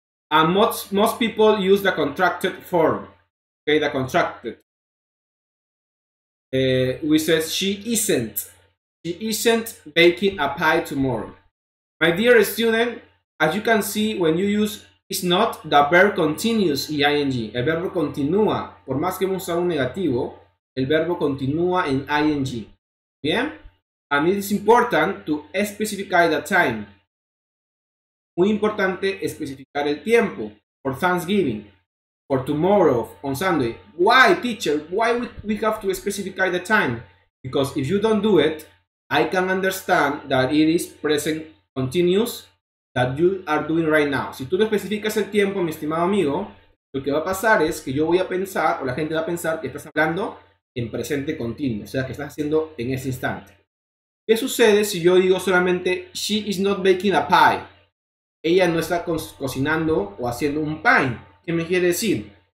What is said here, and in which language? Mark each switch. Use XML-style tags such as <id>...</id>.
<en>And most people use the contracted form. Okay, the contracted. We says she isn't baking a pie tomorrow. My dear student, as you can see, when you use is not, the verb continues ing.</en> <es>El verbo continúa. Por más que hemos usado un negativo, el verbo continúa en ing. Bien?</es> <en>And it is important to specify the time.</en> <es>Muy importante especificar el tiempo.</es> <en>For Thanksgiving. For tomorrow, on Sunday. Why, teacher? Why we have to specify the time? Because if you don't do it, I can understand that it is present continuous that you are doing right now.</en> <es>Si tú no especificas el tiempo, mi estimado amigo, lo que va a pasar es que yo voy a pensar, o la gente va a pensar, que estás hablando en presente continuo, o sea, que estás haciendo en ese instante. ¿Qué sucede si yo digo solamente,</es> <en>she is not baking a pie?</en> <es>Ella no está cocinando o haciendo un pie. ¿Qué me quiere decir?</es>